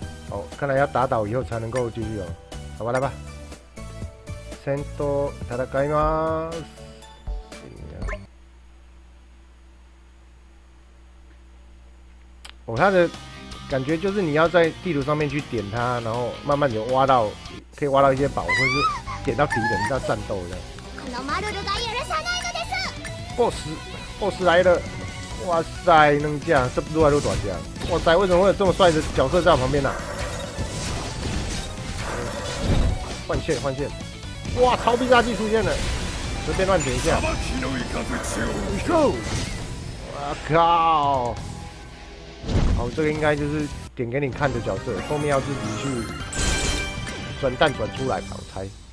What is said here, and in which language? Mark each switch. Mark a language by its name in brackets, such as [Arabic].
[Chinese] 哦，看来要打倒以后才能够继续哦。好吧，来吧。 [Japanese] 戦闘戦います。 [Chinese] 哦，它的感觉就是你要在地图上面去点它，然后慢慢的挖到，可以挖到一些宝，或者是点到敌人要战斗的。 [Japanese] このマルルが許さないのです。 [Chinese] Boss 来了！哇塞，能这样，是撸啊撸短剑！哇塞，为什么会有这么帅的角色在我旁边呢、啊？换线。哇，超必杀技出现了，随便乱点一下。哇靠！好，这个应该就是点给你看的角色，后面要自己去转弹转出来吧，我猜。